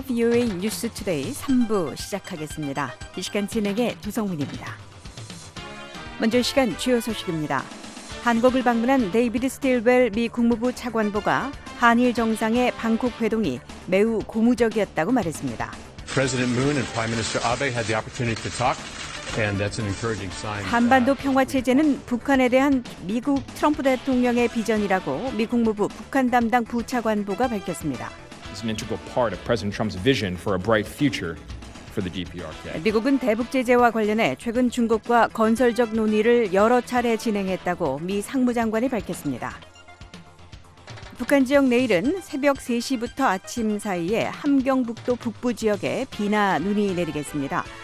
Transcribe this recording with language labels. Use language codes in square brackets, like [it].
[ko] VOA 뉴스 투데이 3부 시작하겠습니다. 이 시간 진행의 조성민입니다. 먼저 이 시간 주요 소식입니다. 한국을 방문한 데이비드 스틸웰 미 국무부 차관보가 한일 정상의 방콕 회동이 매우 고무적이었다고 말했습니다. [en] President Moon and Prime Minister Abe had the opportunity to talk. And that's an encouraging sign. [ko] 한반도 평화 체제는 북한에 대한 미국 트럼프 대통령의 비전이라고 미 국무부 북한 담당 부차관보가 밝혔습니다. [en] It's an integral part of President Trump's vision for a bright future for the DPRK. [ko] 미국은 대북 제재와 관련해 최근 중국과 건설적 논의를 여러 차례 진행했다고 미 상무장관이 밝혔습니다. 북한 지역 내일은 새벽 3시부터 아침 사이에 함경북도 북부 지역에 비나 눈이 내리겠습니다.